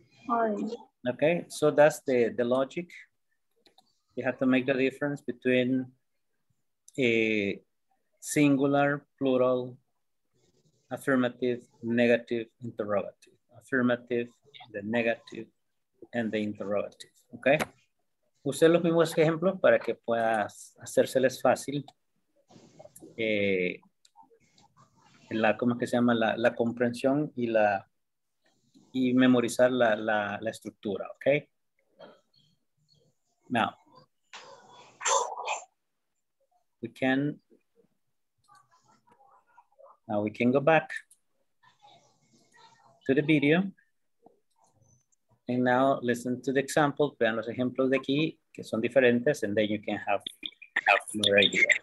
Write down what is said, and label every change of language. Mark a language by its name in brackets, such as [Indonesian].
[English] Aren't. Okay, so that's the logic. You have to make the difference between a singular, plural, affirmative, negative, interrogative. Affirmative, the negative, and the interrogative, okay? [Spanish] Use los mismos ejemplos para que puedas hacérseles fácil la comprensión y la y memorizar la estructura, okay? [English] Now, we can go back to the video. And now listen to the examples, [Spanish] vean los ejemplos de aquí, que son diferentes, [English] and then you can have more idea.